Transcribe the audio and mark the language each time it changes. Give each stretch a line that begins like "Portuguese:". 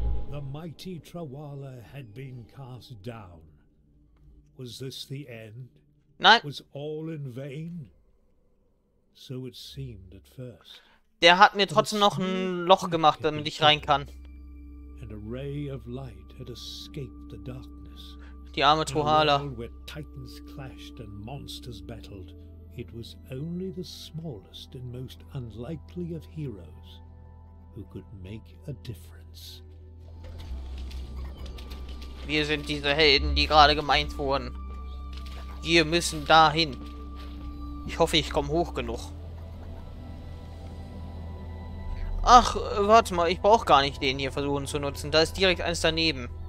English: The mighty Trawala had been cast down. Was this the end?
German: Nein.
English: Was all in vain? So it seemed at first.
German: Der hat mir trotzdem noch ein Loch gemacht, damit ich rein kann.
English: And a ray of light had escaped the darkness.
German: Die arme Trawala.
English: Where titans clashed and monsters battled. It was only the smallest and most unlikely of heroes who could make a difference.
German: Wir sind diese Helden, die gerade gemeint wurden. Wir müssen dahin. Ich hoffe, ich komme hoch genug. Ach, warte mal, ich brauche gar nicht den hier versuchen zu nutzen. Da ist direkt eins daneben.